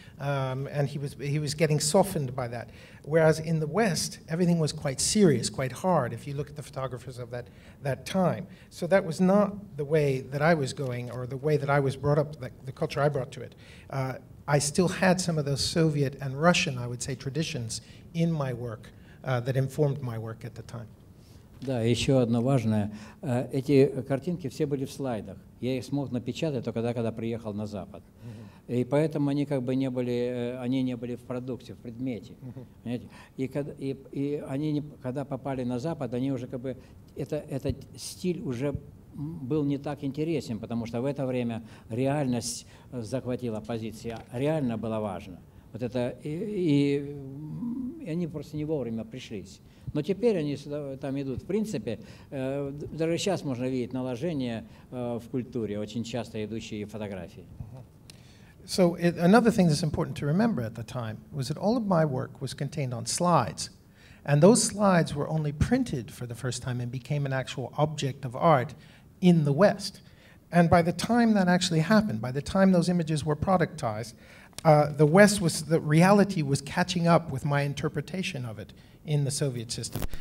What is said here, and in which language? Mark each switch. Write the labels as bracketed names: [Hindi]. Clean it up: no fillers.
[English] And he was getting softened by that. Whereas in the West, everything was quite serious, quite hard, if you look at the photographers of that time. So that was not the way that I was going, or the way that I was brought up, the culture I brought to it. I still had some of those Soviet and Russian, I would say, traditions in my work that informed my work at the time. [Russian] Да, еще одно важное. Эти картинки все были в слайдах. Я их смог напечатать только когда приехал на Запад. И поэтому они как бы не были в продукте, в предмете. Понимаете? И они, когда попали на Запад, они уже как бы этот стиль уже был не так интересен, потому что в это время реальность захватила позиции, реально было важно. Вот это и они просто не вовремя пришлись. Но теперь они сюда там идут. В принципе, даже сейчас можно видеть наложение в культуре, очень часто идущие фотографии. [English] So another thing that's important to remember at the time was that all of my work was contained on slides. And those slides were only printed for the first time and became an actual object of art in the West. And by the time that actually happened, by the time those images were productized, the reality was catching up with my interpretation of it in the Soviet system.